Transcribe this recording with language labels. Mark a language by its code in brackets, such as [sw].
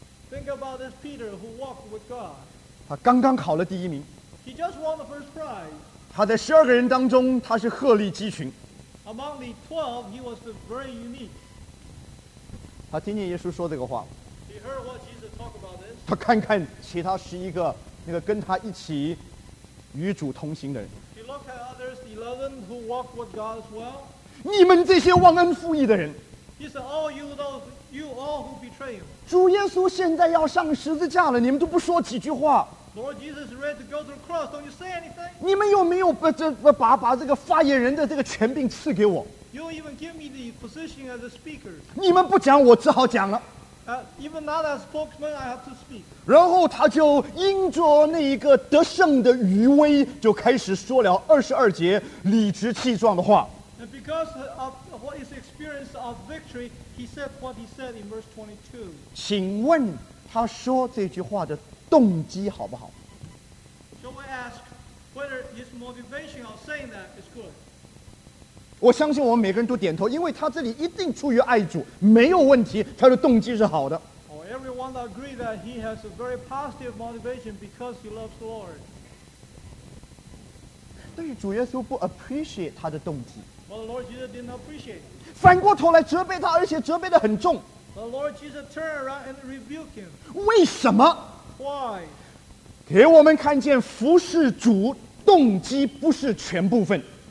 [en] Think about this Peter who walked with God. [zh] 他刚刚考了第一名。 [en] He just won the first prize. [zh] 他在十二个人当中他是鹤立鸡群。 [en] Among the 12, he was very unique. [zh] 他听见耶稣说这个话。 [en] He heard what Jesus talk about this. [zh] 他看看其他十一个那个跟他一起与主同行的人。 [en] He looked at others, the 11 who walked with God as well. [zh] 你们这些忘恩负义的人。 [en] He said, all you, those, you all who betray him. [zh] 主耶稣现在要上十字架了，你们都不说几句话。 [en] Lord Jesus is ready to go to the cross. Don't you say anything? [zh] 你们有没有把这个发言人的这个权柄赐给我？ [en] You don't even give me the position as a speaker. [zh] 你们不讲，我只好讲了。 [en] Even not as spokesman, I have to speak. [zh] 然后他就因着那一个得胜的余威，就开始说了二十二节理直气壮的话。 [en] And because of his experience of victory, he said what he said in verse 22. [zh] 请问他说这句话的动机好不好？ [en] So we ask whether his motivation of saying that is good. [zh] 我相信我们每个人都点头，因为他这里一定出于爱主，没有问题，他的动机是好的。 [en] Oh, everyone agree that he has a very positive motivation because he loves the Lord. [zh] 但是主耶稣不 appreciate 他的动机。 [en] But the Lord Jesus didn't appreciate. [zh] 反过头来责备他，而且责备得很重。 [en] The Lord Jesus turned around and rebuked him. [zh] 为什么？ [en] Why? [zh] 给我们看见服侍主动机不是全部分。